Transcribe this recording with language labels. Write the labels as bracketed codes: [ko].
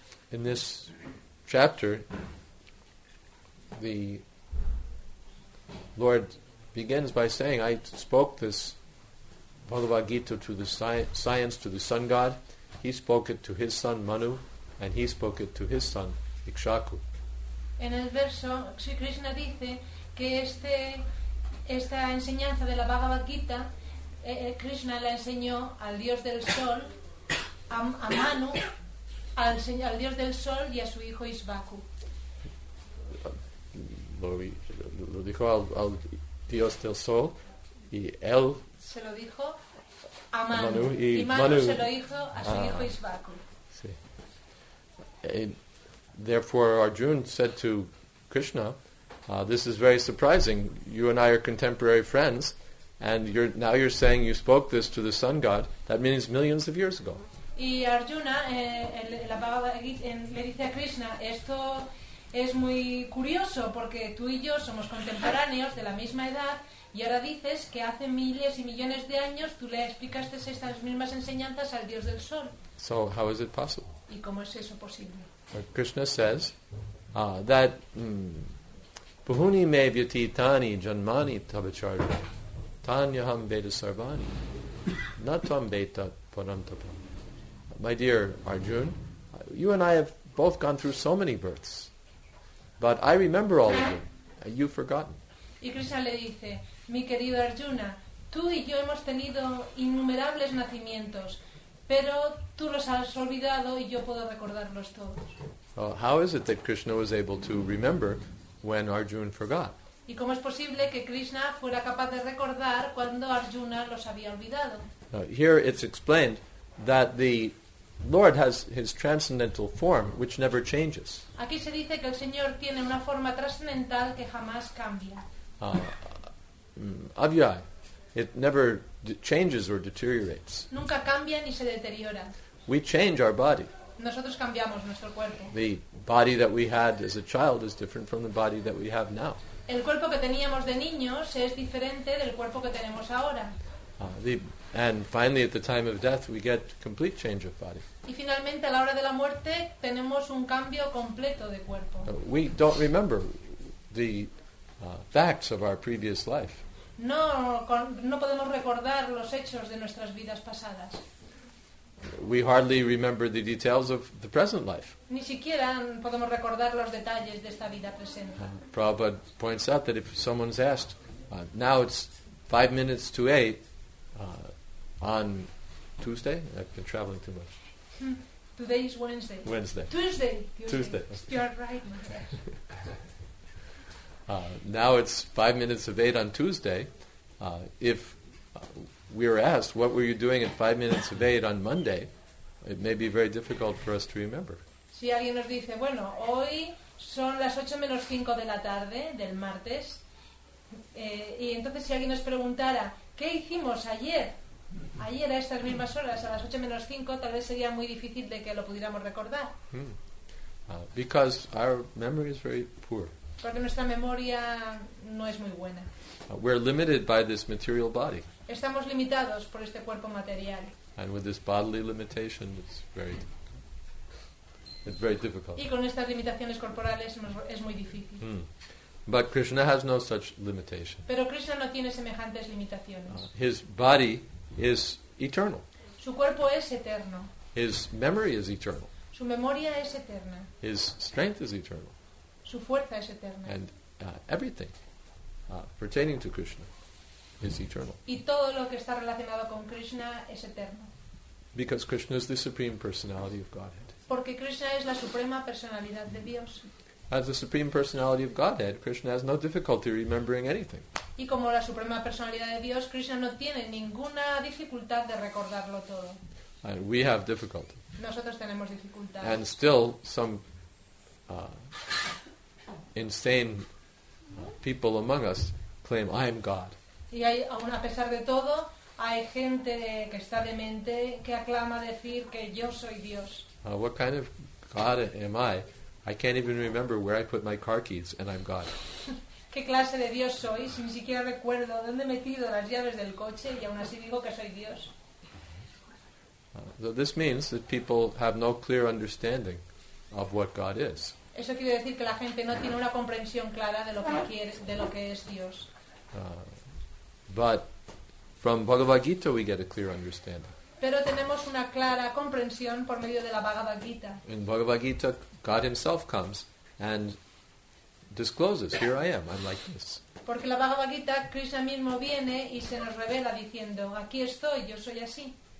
[en] In this chapter, the Lord begins by saying, I spoke this Bhagavad Gita to the science, to the sun god. He spoke it to his son Manu, and he spoke it to his son Ikshaku. [es] En el verso, Sri Krishna dice que esta enseñanza de la Bhagavad Gita, Krishna la enseñó al dios del sol, a Manu, al dios del sol y a su hijo Ikshaku. Lo dijo al dios del sol y él se lo dijo a Manu, y Manu se lo hijo a su hijo Ishvaku. Sí. [en] Therefore, Arjuna said to Krishna, this is very surprising. You and I are contemporary friends, and you're saying you spoke this to the sun god. That means millions of years ago. [es] Y Arjuna, la Bhagavad Gita, le dice a Krishna, esto es muy curioso porque tú y yo somos contemporáneos de la misma edad y ahora dices que hace miles y millones de años tú le explicaste estas mismas enseñanzas al dios del sol. [en] So how is it possible? [es] ¿Y cómo es eso posible? [en] Krishna says that [sa] bhuni me vyati tani janmani tabacharya tanyaham veda sarvani natvam veda parantapa. [en] My dear Arjun, you and I have both gone through so many births, but I remember all of you. You've forgotten. [es] Y Krishna le dice, mi querido Arjuna, tú y yo hemos tenido innumerables nacimientos, pero tú los has olvidado y yo puedo recordarlos todos. [en] How is it that Krishna was able to remember when Arjuna forgot? [es] ¿Y cómo es posible que Krishna fuera capaz de recordar cuando Arjuna los había olvidado? [en] Here it's explained that the Lord has his transcendental form, which never changes. [es] Aquí se dice que el Señor tiene una forma trascendental que jamás cambia. [en] Avyai, it never changes or deteriorates. [es] Nunca cambia ni se deteriora. [en] We change our body. [es] Nosotros cambiamos nuestro cuerpo. [en] The body that we had as a child is different from the body that we have now. [es] El cuerpo que teníamos de niños es diferente del cuerpo que tenemos ahora. [en] And finally, at the time of death, we get complete change of body. [es] Y finalmente, a la hora de la muerte, tenemos un cambio completo de cuerpo. [en] We don't remember the facts of our previous life. [es] No podemos recordar los hechos de nuestras vidas pasadas. [en] We hardly remember the details of the present life. [es] Ni siquiera podemos recordar los detalles de esta vida presente. [en] Prabhupada points out that if someone's asked, now it's 8:05, on Tuesday? I've been traveling too much. Today is Wednesday. Tuesday. You're right, Maharaj. Now it's 8:05 on Tuesday. If we are asked, what were you doing at 8:05 on Monday? It may be very difficult for us to remember. [es] Si alguien nos dice, bueno, hoy son 8:05 de la tarde del martes, y entonces si alguien nos preguntara, ¿qué hicimos ayer? Ayer a estas mismas horas, a 8:05, tal vez sería muy difícil de que lo pudiéramos recordar. [en] Because our memory is very poor. [es] Porque nuestra memoria no es muy buena. [en] We're limited by this material body. [es] Estamos limitados por este cuerpo material. [en] And with this bodily limitation, it's very difficult. [es] Y con estas limitaciones corporales es muy difícil. [en] But Krishna has no such limitation. [es] Pero Krishna no tiene semejantes limitaciones. [en] His body is eternal. [es] Su cuerpo es eterno. [en] His memory is eternal. [es] Su memoria es eterna. [en] His strength is eternal. [es] Su fuerza es eterna. [en] And everything pertaining to Krishna is eternal. [es] Y todo lo que está relacionado con Krishna es eterno. [en] Because Krishna is the Supreme Personality of Godhead. [es] Porque Krishna es la suprema personalidad de Dios. [en] As the Supreme Personality of Godhead, Krishna has no difficulty remembering anything. [es] Y como la suprema personalidad de Dios, Krishna no tiene ninguna dificultad de recordarlo todo. [en] And we have difficulty. [es] Nosotros tenemos dificultad. [en] And still, some insane people among us claim, I am God. [es] Y hay, aun a pesar de todo, hay gente que está demente que aclama decir que yo soy Dios. [en] What kind of God am I? I can't even remember where I put my car keys and I'm God. [es] ¿Qué clase de Dios soy? Si ni siquiera recuerdo dónde he metido las llaves del coche y aún así digo que soy Dios. [en] So this means that people have no clear understanding of what God is. [es] Eso quiere decir que la gente no tiene una comprensión clara de lo que quiere, de lo que es Dios. [en] But from Bhagavad Gita we get a clear understanding. [es] Pero tenemos una clara comprensión por medio de la Bhagavad Gita. [en] In Bhagavad Gita, God himself comes and discloses, here I am, I'm like this. [es] Porque la Bhagavad Gita, Krishna mismo viene y se nos revela diciendo, aquí estoy, yo soy así.